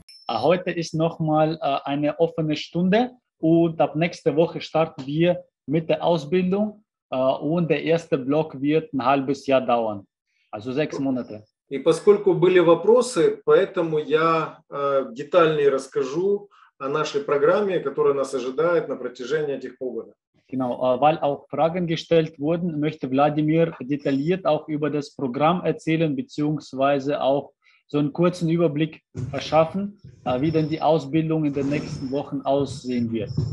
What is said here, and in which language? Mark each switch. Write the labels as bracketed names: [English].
[German] Heute ist nochmal eine offene Stunde und ab nächste Woche starten wir mit der Ausbildung und der erste Block wird ein halbes Jahr dauern, also 6 Monate. [Russian] И поскольку были вопросы, поэтому я детальнее расскажу о нашей программе, которая нас ожидает на протяжении этих полгода. [German] Genau, weil auch Fragen gestellt wurden, möchte Wladimir detailliert auch über das Programm erzählen, beziehungsweise auch so einen kurzen Überblick verschaffen, wie denn die Ausbildung in den nächsten Wochen aussehen wird.